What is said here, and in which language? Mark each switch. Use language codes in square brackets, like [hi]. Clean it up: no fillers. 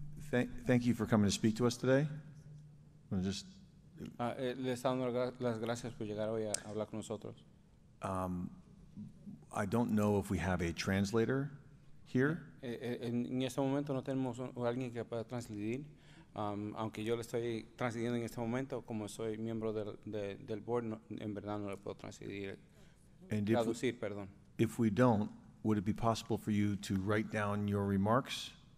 [en] Thank you for coming to speak to us today. I don't know if we have a translator here. [es] En este momento no tenemos alguien que pueda transcribir. Aunque yo le estoy transcribiendo en este momento, como soy miembro del board, no, en verdad no le puedo transcribir. Traducir, perdón. [en] If we don't, would it be possible for you to write down your remarks?